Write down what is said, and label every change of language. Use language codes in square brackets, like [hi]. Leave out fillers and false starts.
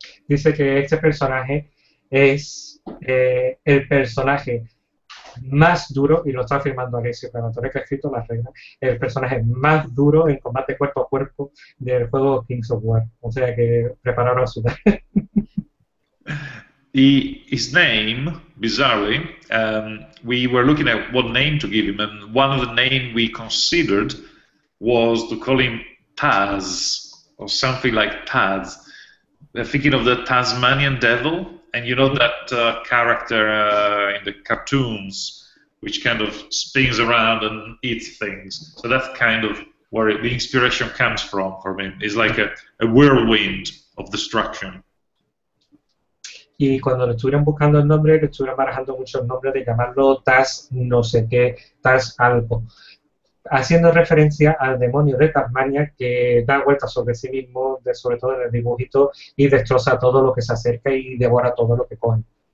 [es] Dice que este personaje es el personaje más duro, y lo está afirmando Alessio Clamatore, que ha escrito las reglas, el personaje más duro en combate cuerpo a cuerpo del juego Kings of War. O sea que prepararos a sudar. [en] His name, bizarrely, we were looking at what name to give him, and one of the names we considered was to call him Taz, or something like Taz. They're thinking of the Tasmanian devil, and you know that character in the cartoons, which kind of spins around and eats things. So that's kind of where the inspiration comes from for me. It's like a whirlwind of destruction. [es] Y cuando lo estuvieron buscando el nombre, lo estuvieron barajando muchos nombres de llamarlo Taz no sé qué, Taz algo. Haciendo referencia al demonio de Tasmania que da vueltas sobre sí mismo, de, sobre todo en el dibujito, y destroza todo lo que se acerca y devora todo lo que coge.